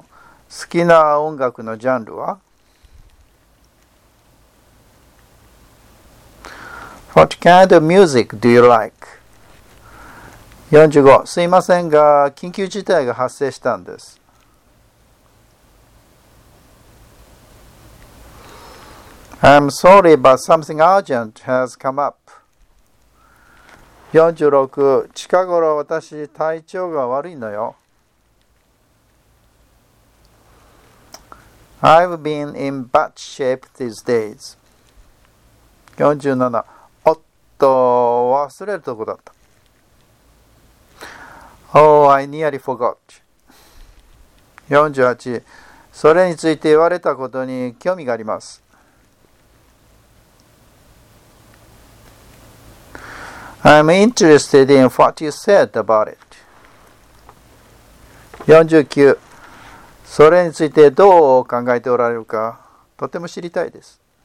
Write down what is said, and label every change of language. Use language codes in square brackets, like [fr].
[ja] 好きな音楽のジャンルは? [en] What kind of music do you like? 45. [ja] すいませんが、緊急事態が発生したんです。 [en] I'm sorry, but something urgent has come up. [ja] 46、近頃私体調が悪いのよ。 [en] I've been in bad shape these days. [ja] 47、おっと、忘れるとこだった。 [en] Oh, I nearly forgot. [ja] 48、それについて言われたことに興味があります。 [en] I'm interested in what you said about it. [ja] 49、それについてどう考えておられるか、とても知りたいです。